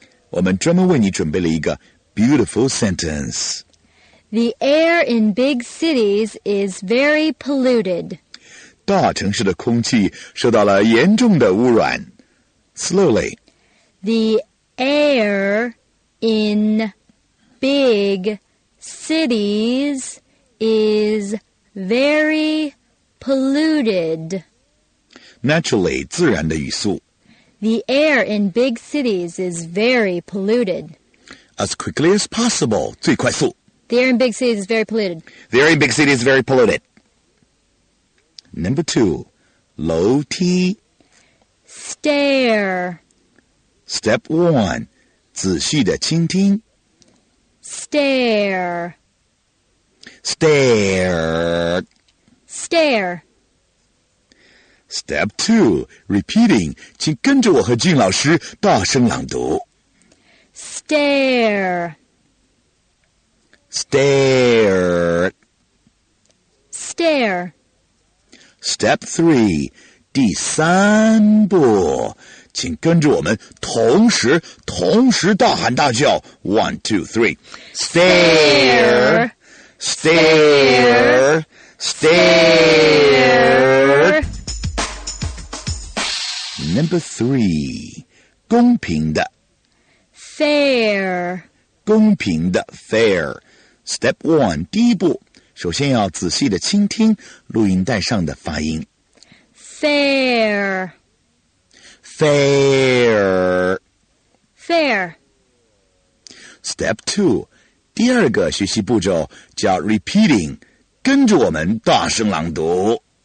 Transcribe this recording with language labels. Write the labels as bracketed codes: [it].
[zh] 我们专门为你准备了一个 [en] beautiful sentence. The air in big cities is very polluted. [zh] 大城市的空气受到了严重的污染。 [en] Slowly. The air in big cities is very polluted. Naturally, [zh] 自然的语速。 [en] The air in big cities is very polluted. As quickly as possible, [zh] 最快速。 [en] The air in big cities is very polluted. The air in big cities is very polluted. Number two, 楼梯 Stair. Step one, [zh] 仔细的倾听 [en] Stair. Stair. Stair. Step two, repeating, [zh] 请跟着我和静老师大声朗读 [en] Stair. Stare. Stare. Step three, [zh] 第三步，请跟着我们同时大喊大叫。 [en] One, two, three. Stare. Stare. Stare. Number three, 公平的 Fair. 公平的 Fair. Step one, [zh] 第一步，首先要仔细地倾听录音带上的发音。 [en] Fair. Fair. Fair. Step two, [zh] 第二个学习步骤叫 [en] repeating, [zh] 跟着我们大声朗读。